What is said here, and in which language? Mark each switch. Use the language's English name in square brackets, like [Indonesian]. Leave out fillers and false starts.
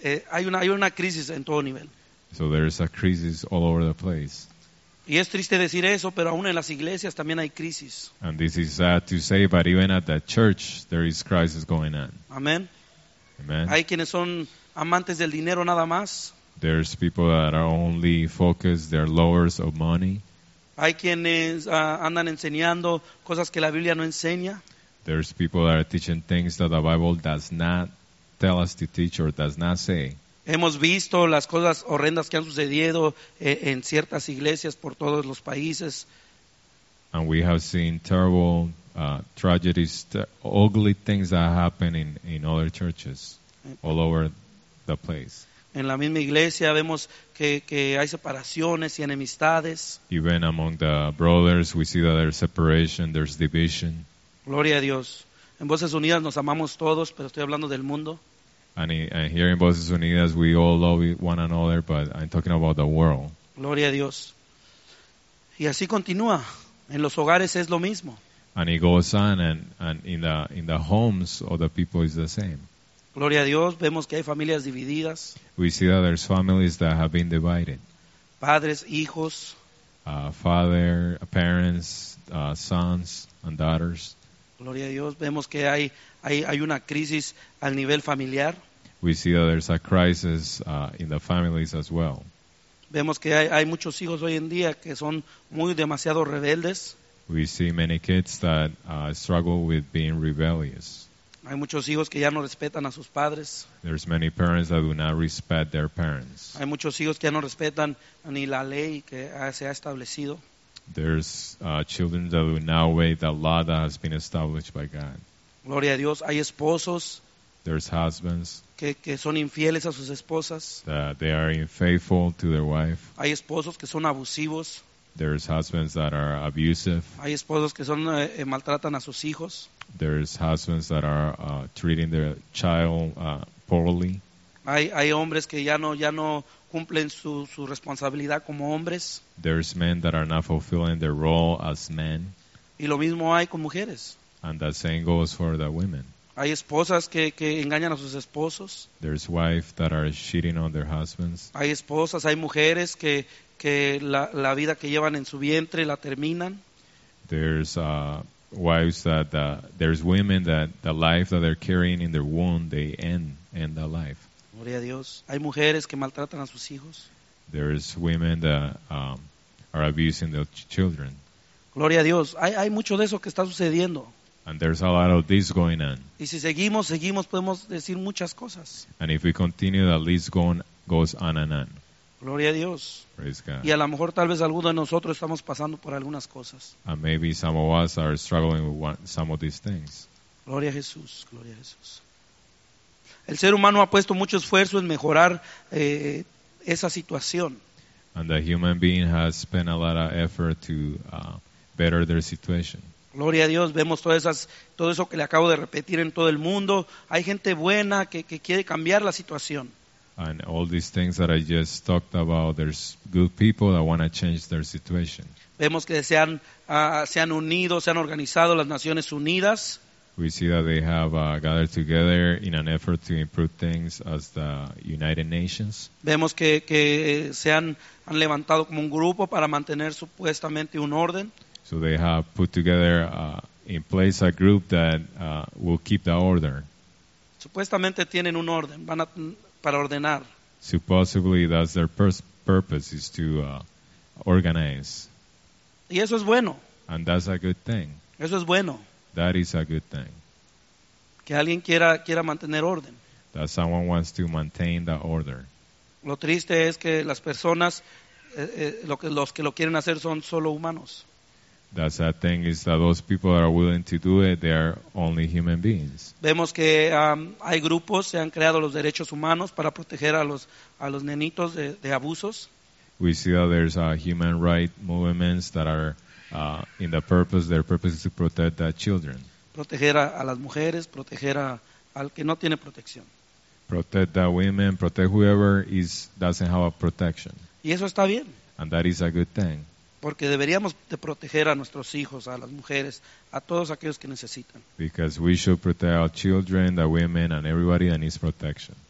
[Spanish] Hay una crisis en todo nivel. [English] So there is a crisis all over the place. [Spanish] Y es triste decir eso, pero aún en las iglesias también hay crisis. [English] And this is sad to say, but even at the church, there is crisis going on. Amen. Amen. [Spanish] Hay quienes son amantes del dinero nada más. [English] There's people that are only focused, they're lovers of money. [Spanish] Hay quienes andan enseñando cosas que la Biblia no enseña. [English] There's people that are teaching things that the Bible does not tell us to teach or does not say. [Spanish] Hemos visto las cosas horrendas que han sucedido en ciertas iglesias por todos los países. [English] And we have seen terrible tragedies, ugly things that happen in other churches all over the place. [Spanish] En la misma iglesia vemos que hay separaciones y enemistades. [English] Even among the brothers, we see that there's separation, there's division. [Spanish] Gloria a Dios. En Voces Unidas nos amamos todos, pero estoy hablando del mundo. [English] And here in Voces Unidas, we all love one another, but I'm talking about the world. [Spanish] Gloria a Dios. Y así continúa. En los hogares es lo mismo. [English] And it goes on, and in the homes of the people is the same. [Spanish] Gloria a Dios. Vemos que hay familias divididas. [English] We see that there's families that have been divided. [Spanish] Padres, hijos. [English] Father, parents, sons and daughters. [Spanish] Gloria a Dios. Vemos que hay una crisis al nivel familiar. [English] We see that there's a crisis in the families as well. [Spanish] Vemos que hay muchos hijos hoy en día que son muy demasiado rebeldes. [English] We see many kids that struggle with being rebellious. [Spanish] Hay muchos hijos que ya no respetan a sus padres. [English] There's many parents that do not respect their parents. [Spanish] Hay muchos hijos que ya no respetan ni la ley que se ha establecido. [English] There's children that do not obey the law that has been established by God. [Spanish] Gloria a Dios. Hay esposos. [English] There's husbands. [Spanish] que son infieles a sus esposas. [English] That they are unfaithful to their wife. [Spanish] Hay esposos que son abusivos. [English] There's husbands that are abusive. [Spanish] Hay esposos que son maltratan a sus hijos. [English] There's husbands that are treating their child poorly. [Spanish] Hay hombres que ya no cumplen su responsabilidad como hombres. [English] There's men that are not fulfilling their role as men. [Spanish] Y lo mismo hay con mujeres. [English] And that same goes for the women. [Spanish] Hay esposas que engañan a sus esposos. [English] There's wives that are cheating on their husbands. [Spanish] Hay esposas, hay mujeres que la vida que llevan en su vientre la terminan. [English] There's wives that there's women that the life that they're carrying in their womb, they end the life. [Spanish] Gloria a Dios. Hay mujeres que maltratan a sus hijos. [English] There's women that are abusing their children. [Spanish] Gloria a Dios. Hay mucho de eso que está sucediendo. [English] And there's a lot of this going on. [Spanish] Y si seguimos, podemos decir muchas cosas. [English] And if we continue, the list goes on and on. [Spanish] Gloria a Dios. [English] Praise God. [Spanish] Y a lo mejor tal vez alguno de nosotros estamos pasando por algunas cosas. [English] And maybe some of us are struggling with some of these things. [Spanish] Gloria a Jesús. Gloria a Jesús. El ser humano ha puesto mucho esfuerzo en mejorar esa situación. [English] And the human being has spent a lot of effort to better their situation. [Spanish] Gloria a Dios, vemos todo eso que le acabo de repetir en todo el mundo. Hay gente buena que quiere cambiar la situación. [English] And all these things that I just talked about, there's good people that want to change their situation. [Spanish] Vemos que se han unido, se han organizado las Naciones Unidas. [English] We see that they have gathered together in an effort to improve things as the United Nations. [Spanish] Vemos que se han levantado como un grupo para mantener supuestamente un orden. [English] So they have put together in place a group that will keep the order. [Spanish] Supuestamente tienen un orden, van a para ordenar. [English] Supposedly that's their purpose is to organize. [Spanish] Y eso es bueno. [English] And that's a good thing. [Spanish] Eso es bueno. [English] That is a good thing. [Spanish] Que alguien quiera mantener orden. [English] That someone wants to maintain the order. [Spanish] Lo triste es que las personas, los que lo quieren hacer son solo humanos. [English] The sad thing is that those people that are willing to do it, they are only human beings. [Spanish] Vemos que hay grupos, se han creado los derechos humanos para proteger a los nenitos de abusos. [English] We see that there's human rights movements that are in the purpose, their purpose is to protect the children. [Spanish] Proteger a las mujeres, proteger al que no tiene protección. [English] Protect the women, protect whoever doesn't have a protection. [Spanish] Y eso está bien. [English] And that is a good thing. [Spanish] Porque deberíamos de proteger a nuestros hijos, a las mujeres, a todos aquellos que necesitan. [English] Because we should protect our children, the women, and everybody that needs protection.